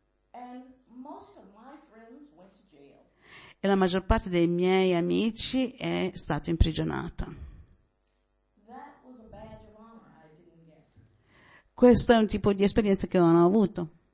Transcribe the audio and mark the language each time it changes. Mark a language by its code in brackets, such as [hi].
[en] And most of my friends went to jail. [it] E la maggior parte dei miei amici è stata imprigionata. [en] That was a badge of honor I didn't get. [it] Questo è un tipo di esperienza che non ho avuto.